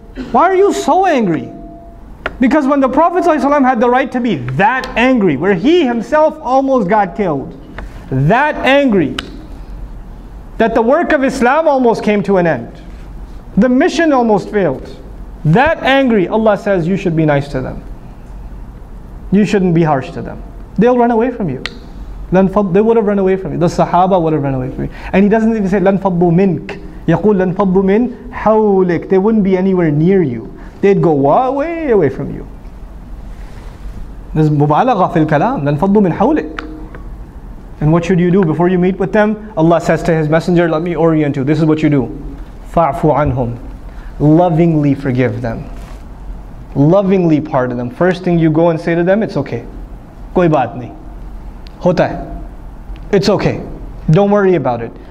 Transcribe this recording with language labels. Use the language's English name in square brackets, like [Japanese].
[English] Why are you so angry? Because when the Prophet ﷺ had the right to be that angry, where he himself almost got killed, that angry, that the work of Islam almost came to an end, the mission almost failed, that angry, Allah says you should be nice to them. You shouldn't be harsh to them. They'll run away from you. They would have run away from you. The Sahaba would have run away from you. And he doesn't even say [Arabic] لَنْفَضُّ مِنْكَ يَقُولُ لَنْفَضُّ مِنْ حَوْلِكَ. [English] They wouldn't be anywhere near you. They'd go way away from you. This is [Arabic] مُبَالَغَ فِي الْكَلَامِ لَنْفَضُّ مِنْ حَوْلِكَ. [English] And what should you do before you meet with them? Allah says to His Messenger, let me orient you. This is what you do. [Arabic] فَعْفُ عَنْهُمْ. [English] Lovingly forgive them. Lovingly pardon them. First thing you go and say to them, it's okay. [Urdu] Koi baat nahi. Hota hai. [English] It's okay. Don't worry about it.